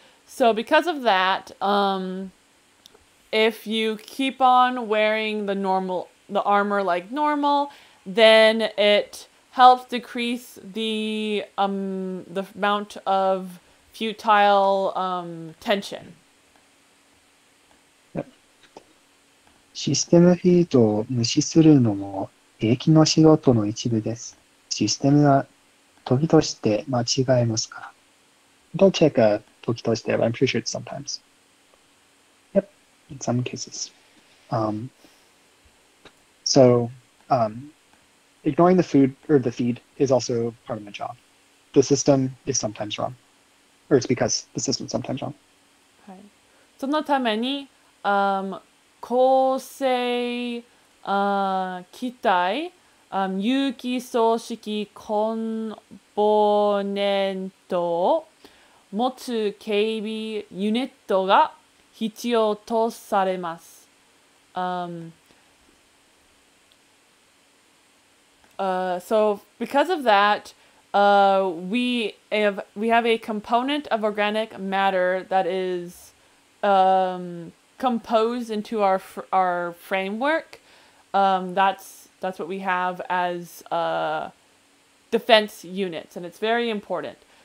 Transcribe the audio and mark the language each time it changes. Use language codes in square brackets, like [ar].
[en] So because of that, if you keep on wearing the armor like normal, then it helps decrease the amount of futile tension. [ja] システムフィートを無視するのも兵器の仕事の一部です。システムは時として間違えますから。 [en] Don't check a 時として、but I'm pretty sure it's sometimes. Yep, in some cases. Ignoring the food or the feed is also part of my job. The system is sometimes wrong. Or it's because the system is sometimes wrong. [ja] はい。そのために、構成機体、有機装飾コンポーネントを持つ警備ユニットが必要とされます。 [en] So because of that, we have a component of organic matter that is composed into our framework. That's what we have as defense units, and it's very important.